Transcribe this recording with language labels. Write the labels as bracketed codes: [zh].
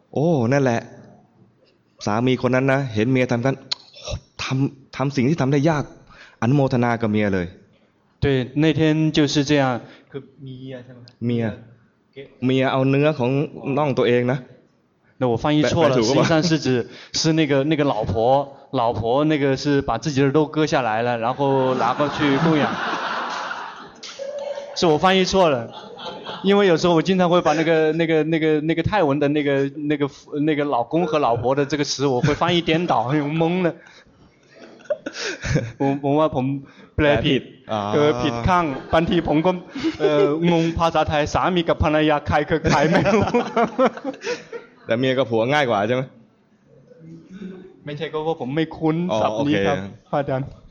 [th] โอ้นั่นแหละสามีคนนั้นนะเห็นเมียทำกันทำสิ่งที่ทำได้ยากอนุโมทนากับเมียเลย [zh] 对那天就是这样 [th] คือเมียใช่ไหม เมียเอาเนื้อของน้องตัวเองนะ [zh] 那我翻译错了实际上是指是那个老婆那个是把自己的肉割下来了然后拿过去供养是我翻译错了因为有时候我经常会把那个泰文的那个老公和老婆的这个词我会翻译颠倒我懵了我问朋友 [th] แปลผิดคือผิดข้างบางทีผมก็งงภาษาไทยสามีกับภรรยาใครคือใครไม่รู้แต่เมียกับผัวง่ายกว่าใช่ไหม ไม่ใช่ก็ว่าผมไม่คุ้นศัพท์นี้ครับพาดัน